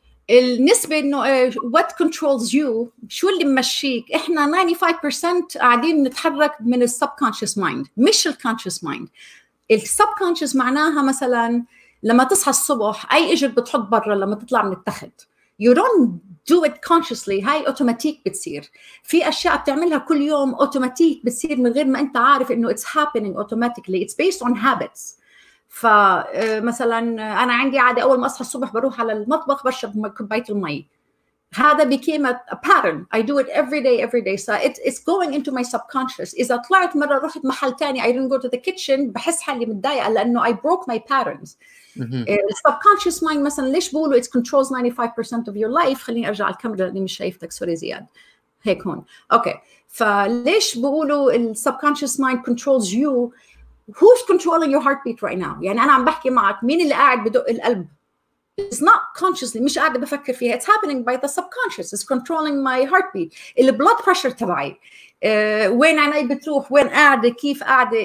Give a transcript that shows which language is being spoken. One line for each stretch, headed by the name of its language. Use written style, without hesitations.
Arabic: النسبة إنه
English: what controls you،
Arabic: شو اللي ممشيك. إحنا 95% قاعدين نتحرك من السبكونشس مايند مش الكونشس مايند. السبكونشس معناها مثلا لما تصحى الصبح اي اجر بتحط برا لما تطلع من التخت.
English: You don't do it consciously.
Arabic: هاي اوتوماتيك بتصير. في اشياء بتعملها كل يوم اوتوماتيك بتصير من غير ما انت عارف انه
English: it's happening automatically. It's based on habits.
Arabic: فمثلا انا عندي عادة اول ما اصحى الصبح بروح على المطبخ بشرب كوباية المي.
English: هذا became a pattern. I do it every day, every day. So it's going into my subconscious.
Arabic: إذا طلعت مرة رحت محل تاني,
English: I didn't go to the kitchen,
Arabic: بحس حالي متضايقة لأنه
English: I broke my patterns. Subconscious mind
Arabic: مثلا ليش بقوله
English: it controls 95% of your life.
Arabic: خليني أرجع الكاميرا لأني مش شايفتك, سوري زياد. هيك هون. Okay. فليش بقوله
English: subconscious mind controls you. Who's controlling your heartbeat right now?
Arabic: يعني أنا عم بحكي معك, مين اللي قاعد بدق القلب؟
English: It's not consciously,
Arabic: مش قاعدة بفكر فيها.
English: It's happening by the subconscious. It's controlling my heartbeat. The blood pressure تبعي.
Arabic: وين عناي بتروح, وين قاعدة, كيف قاعدة.